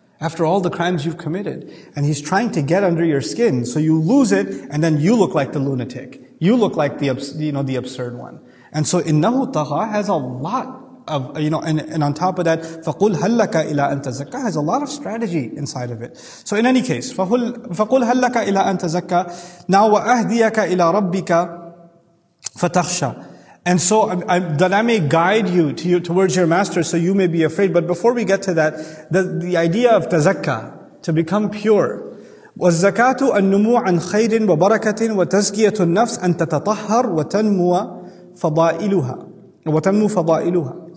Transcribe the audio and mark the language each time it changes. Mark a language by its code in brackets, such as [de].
[en] After all the crimes you've committed. And he's trying to get under your skin. So you lose it, and then you look like the lunatic. You look like the absurd one. And so innahu tagha has a lot of, you know, and on top of that, [ar] فَقُلْ هَلَّكَ إِلَىٰ أَن تَزَكَّى [en] has a lot of strategy inside of it. So in any case, [ar] فَقُلْ هَلَّكَ إِلَىٰ أَن تَزَكَّى now وَأَهْدِيَكَ إِلَىٰ رَبِّكَ فَتَخْشَى. [en] And so that I may guide you towards your master so you may be afraid. But before we get to that, the idea of [ar] تزكى, [en] to become pure, [ar] وَالزَّكَاةُ النُّمُوَ عَنْ خَيْرٍ وَبَرَكَةٍ وَتَزْكِيَةُ النَّفْسِ أَن تَتَطَهَّرْ وَتَنْمُوَ فَضَائِلُهَا.